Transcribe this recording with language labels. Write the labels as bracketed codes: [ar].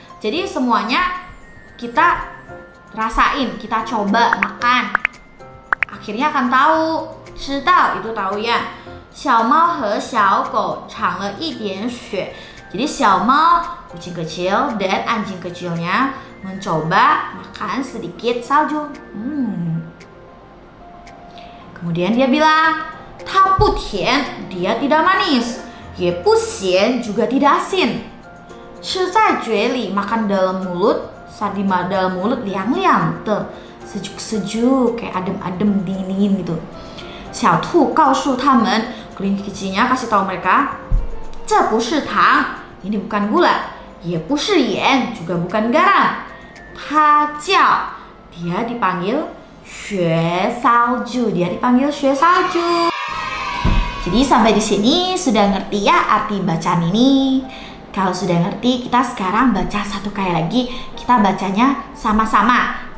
[id] Jadi semuanya kita rasain, kita coba makan. Akhirnya akan tahu. 知道 itu tahu ya. [zh] 小猫和小狗尝了一点雪. [id] Jadi 小猫, kucing kecil, dan anjing kecilnya mencoba makan sedikit salju. Kemudian dia bilang, [zh] 它不甜, [id] dia tidak manis. [zh] 也不咸, [id] juga tidak asin. [zh] 吃在嘴里, [id] makan dalam mulut. Saat di dalam mulut, liang-liang, sejuk-sejuk, kayak adem-adem, dingin-dingin gitu. [zh] 小兔告诉他们, [id] kelinci kecilnya kasih tahu mereka, [zh] 这不是糖, [id] ini bukan gula. [zh] 也不是盐, [id] juga bukan garam. [zh] 它叫, [id] dia dipanggil 雪烧酒, dia dipanggil 雪烧酒. Jadi sampai di sini sudah ngerti ya arti bacaan ini. Kalau sudah ngerti, kita sekarang baca satu kali lagi. Kita bacanya sama-sama.